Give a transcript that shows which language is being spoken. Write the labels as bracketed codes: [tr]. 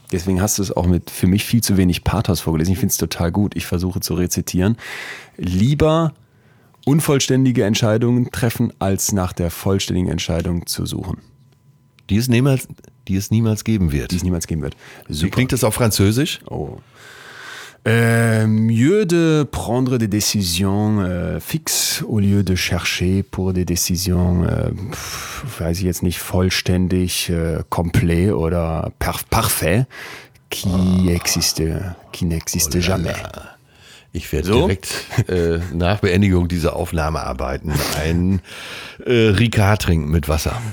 [de] Deswegen hast du es auch mit für mich viel zu wenig Pathos vorgelesen. Ich finde es total gut. Ich versuche zu rezitieren. Lieber unvollständige Entscheidungen treffen, als nach der vollständigen Entscheidung zu suchen. Die es niemals geben wird. Die es niemals geben wird. Super. Klingt das auf Französisch? Oh. [fr] Mieux de prendre des décisions fixes au lieu de chercher pour des décisions, [de] weiß ich jetzt nicht, vollständig, [fr] complet oder parfait, qui n'existe jamais. [de] Ich werde direkt nach Beendigung dieser Aufnahme arbeiten, einen Ricard trinken mit Wasser.